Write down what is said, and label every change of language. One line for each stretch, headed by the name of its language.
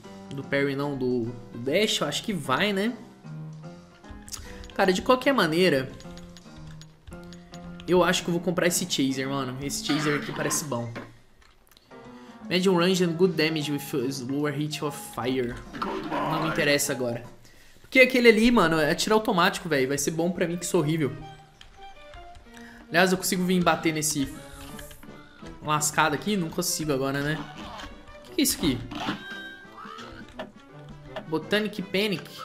Portuguese: Do Perry não, do Dash, eu acho que vai, né? Cara, de qualquer maneira, Eu acho que eu vou comprar esse Chaser, mano. Esse Chaser aqui parece bom.
English: Medium range and good damage with slower hit of fire. Goodbye.
Portuguese: Não me interessa agora. Porque aquele ali, mano, é tiro automático, velho. Vai ser bom pra mim, que sou horrível. Aliás, eu consigo vir bater nesse lascado aqui? Não consigo agora, né? O que é isso aqui?
English: Botanic Panic.